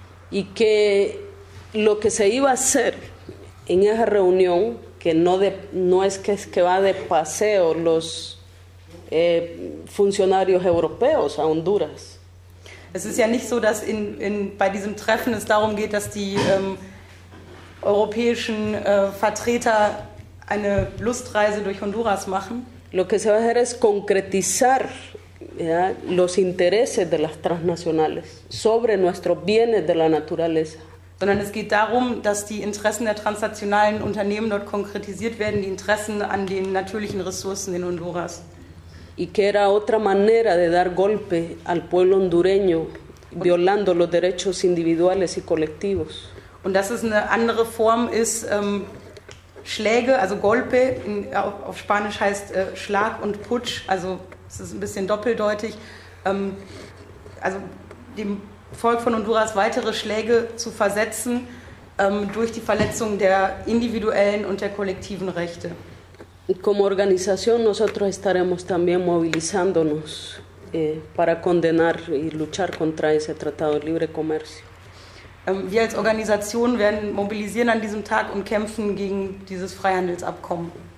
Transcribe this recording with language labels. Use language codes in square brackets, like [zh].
[es] Y que lo que se iba a hacer en esa reunión, que no es que va de paseo los funcionarios europeos a Honduras. [de] Es ist ja nicht so, dass in bei diesem Treffen es darum geht, dass die europäischen Vertreter eine Lustreise durch Honduras machen. [es] Lo que se va a hacer es concretizar ya, los intereses de las transnacionales sobre nuestros bienes de la naturaleza. [de] Sondern es geht darum, dass die Interessen der transnationalen Unternehmen dort konkretisiert werden, die Interessen an den natürlichen Ressourcen in Honduras. [es] Y que era otra manera de dar golpe al pueblo hondureño, violando los derechos individuales y colectivos. [de] Und dass es eine andere Form ist, Schläge, also Golpe, auf Spanisch heißt Schlag und Putsch, also Es ist ein bisschen doppeldeutig. Also dem Volk von Honduras weitere Schläge zu versetzen durch die Verletzung der individuellen und der kollektiven Rechte. [es] Como organización nosotros estaremos también movilizándonos para condenar y luchar contra ese tratado de libre comercio. [de] Wir als Organisation werden mobilisieren an diesem Tag und kämpfen gegen dieses Freihandelsabkommen.